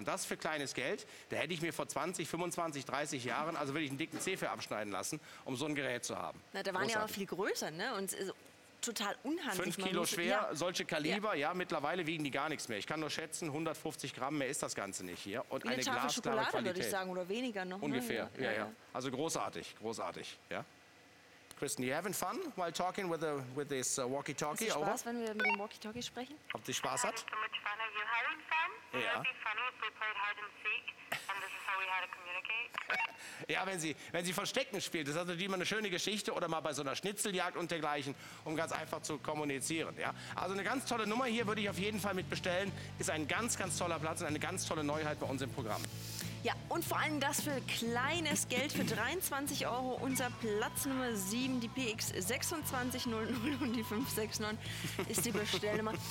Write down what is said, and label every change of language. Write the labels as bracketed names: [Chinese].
[German] Und das für kleines Geld, da hätte ich mir vor 20, 25, 30 Jahren, also würde ich einen dicken Zeh für abschneiden lassen, um so ein Gerät zu haben. Na, da waren ja auch viel größer, ne? Und total unhandlich. 5 Kilo schwer, ja. Solche Kaliber, ja, mittlerweile wiegen die gar nichts mehr. Ich kann nur schätzen, 150 Gramm mehr ist das Ganze nicht hier. Und eine glasklare Schokolade, Qualität. Würde ich sagen, oder weniger noch. Ungefähr, ja. Also großartig, großartig, ja. [English] Kristen, you having fun while talking with this walkie-talkie? [German] Hast du Spaß, wenn wir mit dem walkie-talkie sprechen? Habt ihr Spaß hat? [English] So much fun. Are you having fun? Yeah. It would be funny if we played hide and seek and this is how we had to communicate. [German] Ja, wenn sie Verstecken spielt, das ist natürlich immer eine schöne Geschichte oder mal bei so einer Schnitzeljagd und dergleichen, um ganz einfach zu kommunizieren. Ja? Also eine ganz tolle Nummer hier würde ich auf jeden Fall mitbestellen. Ist ein ganz, ganz toller Platz und eine ganz tolle Neuheit bei uns im Programm. Ja, und vor allem das für kleines Geld, für 23 Euro, unser Platz Nummer 7, die PX2600 und die 569 ist die Bestellnummer.